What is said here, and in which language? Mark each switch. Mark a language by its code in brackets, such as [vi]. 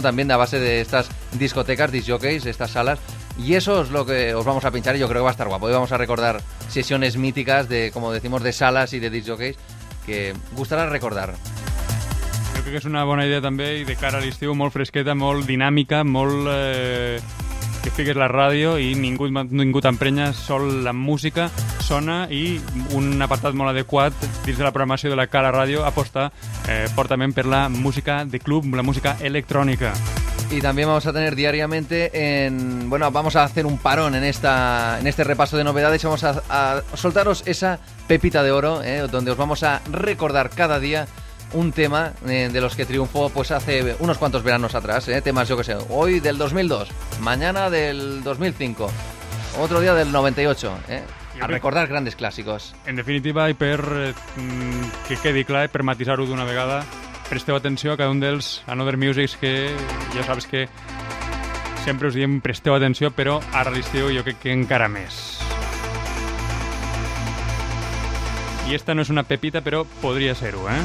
[es] También a base de estas discotecas, disc jockeys, estas salas, y eso es lo que os vamos a pinchar y yo creo que va a estar guapo. Hoy vamos a recordar sesiones míticas de, como decimos, de salas y de disc jockeys que gustará recordar. Creo que es una buena idea también y de cara al [ca] estiu, molt fresqueta, molt dinámica, molt... que fiques la ràdio i ningú t'emprenya, sol la música sona i un apartat molt adequat dins de la programació de la Cala Ràdio aposta fortament per la música de club, la música electrònica. [es] Y también vamos a tener diariamente vamos a hacer un parón en este repaso de novedades. Vamos a soltaros esa pepita de oro, donde os vamos a recordar cada día un tema de los que triunfó pues hace unos cuantos veranos atrás, temas, yo que sé, hoy del 2002, mañana del 2005, otro día del 98, a recordar grandes clàssicos. [ca] En definitiva, i per que quedi clar, per matisar-ho d'una vegada, presteu atenció a cada un dels Another Musics que ja saps que sempre us diem presteu atenció, però ara l'estiu jo crec que encara més. [es] Y esta no es una pepita, pero podría ser, ¿eh?